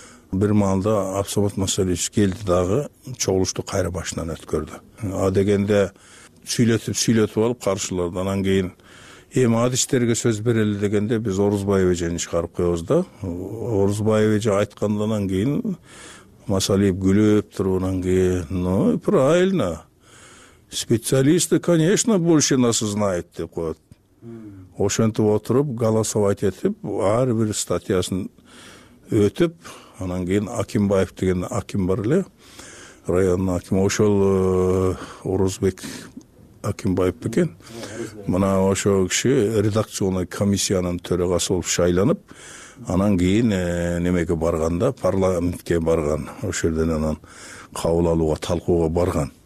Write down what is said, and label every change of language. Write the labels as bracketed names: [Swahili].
[Kyrgyz] Бир маалда Абсамат Масалиевич келди дагы, чогулушту кайра башынан өткөрдү. А дегенде сүйлөтүп сүйлөтүп алып каршыларды, анан кийин Эми адиштерге сөз берели дегенде биз Орозбаева жени чыгарып коебуз да. Орозбаева же айткандан кийин Масалиев күлүп туруунан кийин, [Russian] ну правильно. Специалисты, конечно, больше нас знают, [Kyrgyz] деп коет. Ошентип отуруп, голосовать этип, ар бир статьясын өтүп, анан кийин Акимбаев деген аким бар эле. Районун акими ошол Орозбек Акимбаев экен. Мына ошол киши редакционный комиссиянын төрагасы болуп шайланып, анан кийин немеге барганда, парламентке барган, ошол жерден анан кабыл алууга, талкууга барган.